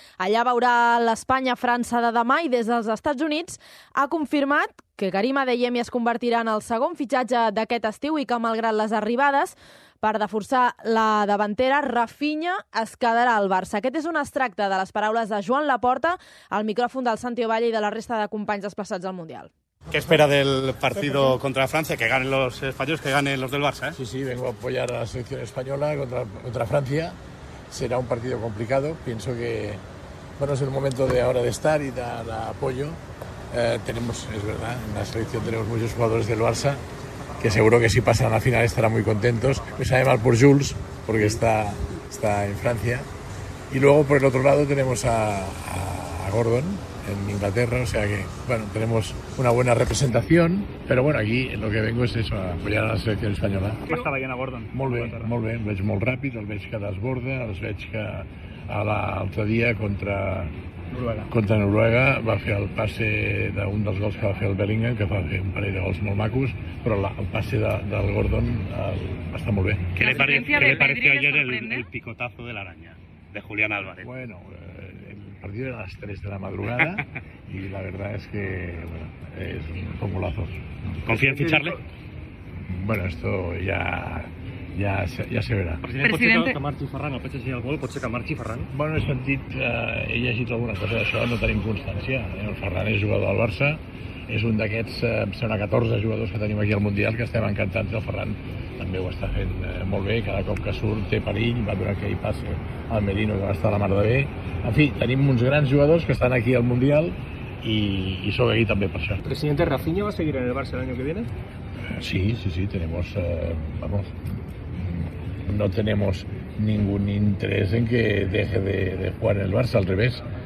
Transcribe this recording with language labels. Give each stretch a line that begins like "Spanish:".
Catalan: Allà veurà l'Espanya-França de demà i des dels Estats Units ha confirmat que Karim Adeyemi es convertirà en el segon fitxatge d'aquest estiu i que, malgrat les arribades, per reforçar la davantera, Rafinha es quedarà al Barça. Aquest és un extracte de les paraules de Joan Laporta al micròfon del Santi Ovalle i de la resta de companys desplaçats al Mundial.
Spanish: ¿Qué espera del partido contra Francia? Que ganen los españoles, que ganen los del Barça, ¿eh? Sí, sí, vengo a apoyar a la selección española contra Francia. Será un partido complicado. Pienso que, bueno, es el momento de ahora de estar y dar apoyo. Tenemos, es verdad, en la selección tenemos muchos jugadores del Barça que seguro que si pasan a la final estarán muy contentos. Me sabe mal por Jules, porque está en Francia. Y luego, por el otro lado, tenemos a Gordon en Inglaterra, o sea que, bueno, tenemos una buena representación, pero bueno, aquí lo que vengo es eso, a apoyar a la selección española. ¿Cómo está la Iana Gordon?
Catalan: Molt bé, el veig molt ràpid, el veig que desborda, el veig que l'altre dia contra Noruega va fer el passe d'un dels gols que va fer el Bellingham, que va fer un parell de gols molt macos, però el passe del Gordon va estar molt bé.
Spanish: ¿Qué le pareció ayer el picotazo de la araña de Julián Álvarez? Bueno, partido a las 3 de la madrugada y la verdad es que, bueno, es un golazo. ¿Confía en ficharle? Bueno, esto ya se verá.
Catalan: Presidente, que marxi Ferran, el peixe al gol, pot ser que marxi Ferran? Bueno, he sentit, he llegit alguna cosa d'això, no tenim constància. El Ferran és jugador del Barça, és un d'aquests, em sembla, 14 jugadors que tenim aquí al Mundial, que estem encantats. El Ferran també ho està fent molt bé, cada cop que surt té perill, va veure que hi passa el Merino, que va estar la mar de bé. En fi, tenim uns grans jugadors que estan aquí al Mundial i sóc aquí també per això.
Spanish: Presidente, ¿Rafinha va seguir en el Barça
Catalan: l'any
Spanish: que viene? Sí, tenemos, vamos, no tenemos ningún interés en que deje de jugar en el Barça, al revés.